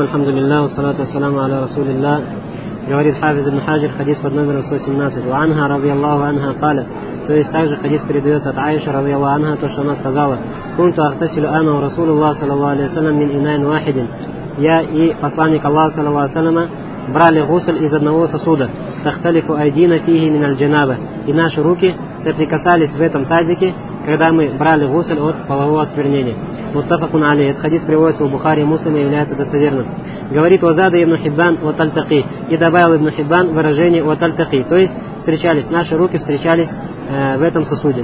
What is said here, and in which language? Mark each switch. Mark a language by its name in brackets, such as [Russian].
[Arabic] الحمد لله والصلاة والسلام على رسول الله. [Russian] говорит [Arabic] حافظ ابن حاجر حديث [Russian] под номером 117. [Arabic] وعنها رضي الله عنها قال. [Russian] То есть также хадис передается от Аиши [Arabic] رضي الله عنها, [Russian] то что она сказала. [Arabic] كنت أغتسل أنا ورسول الله صلى الله عليه وسلم من إناء واحد. [Russian] Я и посланник Аллаха [Arabic] صلى الله عليه وسلم [Russian] брали гусль из одного сосуда. [Arabic] تختلفوا أيدينا فيه من الجنابة. [Russian] И наши руки соприкасались в этом тазике, когда мы брали гусль от полового осквернения. Муттафакун алейхи. Этот хадис приводится в Бухари и Муслиме и является достоверным. Говорит Вазада ибн Хиббан ва тальтахи. И добавил ибн Хиббан выражение ва тальтахи. То есть встречались, наши руки встречались в этом сосуде.